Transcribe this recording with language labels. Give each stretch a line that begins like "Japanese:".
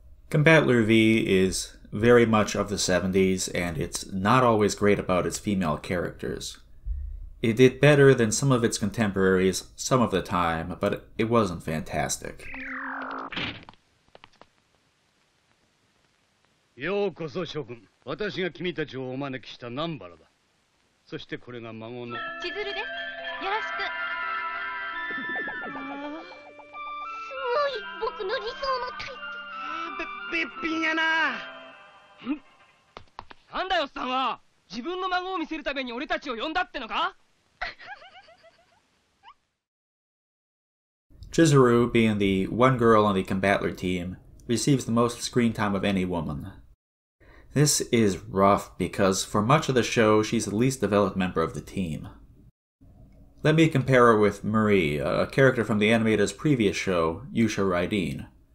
English: Combattler V is very much of the 70s, and it's not always great about its female characters. It did better than some of its contemporaries some of the time, but it wasn't fantastic.
Japanese: ようこそ諸君、私が君たちをお招きした南原だ。そしてこれが孫の千鶴です。よろしく。すごい、僕の理想のタイプ。べっべっぴんやな。なんだよ、おっさんは。自分の孫を見せるために俺たちを呼んだってのか。
English: Chizuru, being the one girl on the Combattler team, receives the most screen time of any woman. This is rough because for much of the show, she's the least developed member of the team. Let me compare her with Marie, a character from the animator's previous show, Yuusha Raideen.